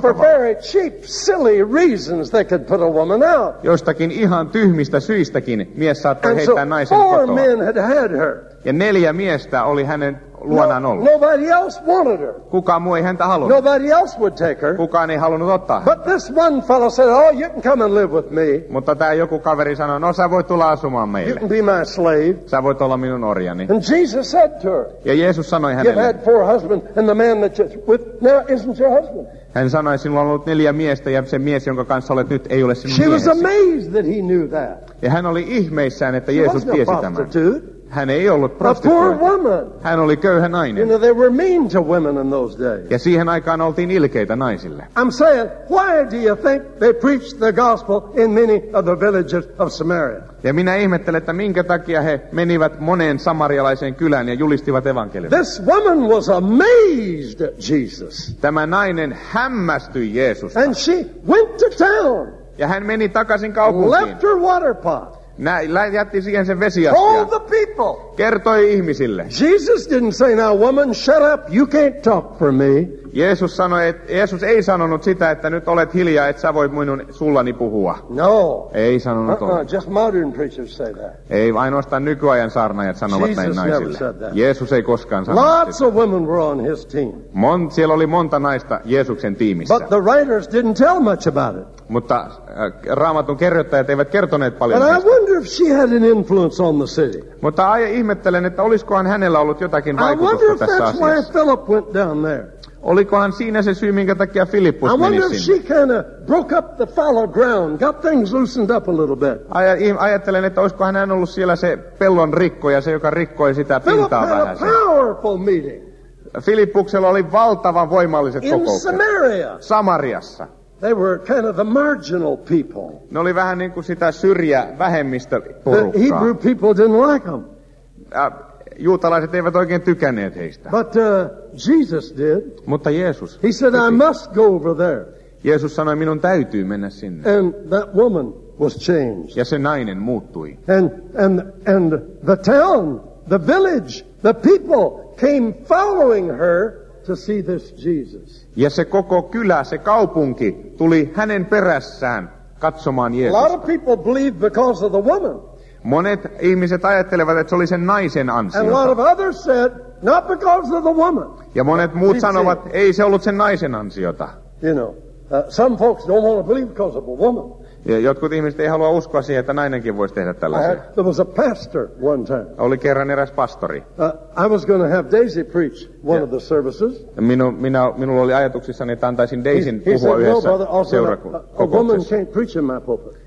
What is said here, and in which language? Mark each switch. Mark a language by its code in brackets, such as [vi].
[en] for [fi] tavalla. [en] For very cheap, silly reasons they could put a woman out. [fi] Jostakin ihan tyhmistä syistäkin mies saattoi [en] and [fi] heittää [en] so [fi] naisen [en] four [fi] kotoa. [en] Men had had her. [fi] Ja neljä miestä oli hänen luonaan ollut. [en] Nobody else wanted her. [fi] Kukaan muu ei häntä halunnut. [en] Nobody else would take her. [fi] Kukaan ei halunnut ottaa [en] but [fi] häntä. [en] This one fellow said, oh, you can come and live with me. [fi] Mutta tämä joku kaveri sanoi, no sä voit tulla asumaan meille. [en] You can be my slave. [fi] Sä voit olla minun orjani. [en] And Jesus said to her. [fi] Ja Jeesus sanoi hänelle. [en] You've had four husbands and the man that you're with now isn't your husband. [fi] Hän sanoi, sinulla on ollut neljä miestä ja se mies, jonka kanssa olet nyt, ei ole sinun miehesi. [en] She was amazed that he knew that. [fi] Ja hän oli ihmeissään, että Jeesus tiesi tämän. Hän ei ollut prostituoitu. Hän oli köyhä nainen. [en] You know, they were mean to women in those days. [fi] Ja siihen aikaan oltiin ilkeitä naisille. [en] I'm saying, why do you think they preached the gospel in many of the villages of Samaria? [fi] Ja minä ihmettelen, että minkä takia he menivät moneen samarialaiseen kylään ja julistivat evankeliumia. [en] This woman was amazed at Jesus. [fi] Tämä nainen hämmästyi Jeesusta. [en] And she went to town. [fi] Ja hän meni takaisin kaupunkiin. [en] Left her water pot. [fi] Jätti siihen sen vesiastian. Kertoi ihmisille. [en] Jesus didn't say, now woman, shut up, you can't talk for me. [fi] Jeesus sanoi, että Jeesus ei sanonut sitä, että nyt olet hiljaa, et sä voit minun sullani puhua. [en] No. [fi] Ei sanonut. [en] Just modern preachers say that. [fi] Ei ainoastaan nykyajan saarnaajat sanovat [en] Jesus [fi] näin naisille. Jeesus ei koskaan sanonut. [en] Lots [fi] sitä. [en] Of women were on his team. [fi] Siellä oli monta naista Jeesuksen tiimissä. [en] But the writers didn't tell much about it. [fi] Mutta Raamatun kirjoittajat eivät kertoneet paljon. [en] And I wonder if she had an influence on the city. [fi] Mutta ihmettelen, että olisikohan hänellä ollut jotakin vaikutusta tässä asiassa. [en] I wonder if that's why Philip went down there. [fi] Olikohan siinä se syy, minkä takia Filippus meni sinne? [en] I wonder if she kind of broke up the fallow ground, got things loosened up a little bit. [fi] Ajattelen, että olisikohan hän ollut siellä se pellon rikkoja, se joka rikkoi sitä pintaa vähän. [en] Philip had a powerful meeting. [fi] Filippuksella oli valtavan voimalliset kokoukset. [en] In Samaria. [fi] Samariassa. [en] They were kind of the marginal people. [fi] Ne oli vähän niin kuin sitä syrjä vähemmistö porukkaa. [en] The Hebrew people didn't like them. [fi] Juutalaiset eivät oikein tykänneet heistä. [en] But Jesus did. [fi] Mutta Jeesus. [en] He said, I must go over there. [fi] Jeesus sanoi, minun täytyy mennä sinne. [en] And that woman was changed. [fi] Ja se nainen muuttui. [en] And the town, the village, the people came following her to see this Jesus. [fi] Ja se koko kylä, se kaupunki tuli hänen perässään katsomaan Jeesusta. [en] A lot of people believed because of the woman. [fi] Monet ihmiset ajattelevat, että se oli sen naisen ansiota. [en] And a lot of others said, not because of the woman. [fi] Ja monet muut sanovat, ei se ollut sen naisen ansiota. [en] You know, some folks don't want to believe because of a woman. [fi] Ja jotkut ihmiset ei halua uskoa siihen, että nainenkin voisi tehdä tällaisia. [en] There was a pastor one time. [fi] Oli kerran eräs pastori. [en] I was going to have Daisy preach one of the services. [fi] Minulla oli ajatuksissani, että antaisin Daisyn puhua yhdessä seurakunnassa. [en] A woman can't preach in my pulpit.